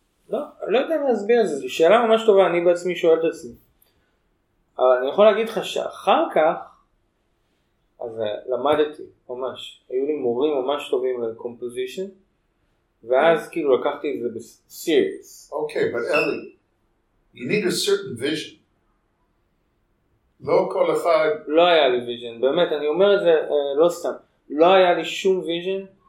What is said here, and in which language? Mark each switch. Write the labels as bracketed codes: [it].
[he] לא, לא יודע להסביר, זו שאלה ממש טובה, אני בעצמי שואל את עצמי. אבל אני יכול להגיד לך שאחר כך, אז למדתי ממש, היו לי מורים ממש טובים לקומפוזישן, ואז כאילו לקחתי את זה בסיריוס. אוקיי, אבל [en] אלי, you need a certain vision. [he] לא כל אחד... לא היה לי vision, באמת, אני אומר את זה לא סתם. לא היה לי שום vision.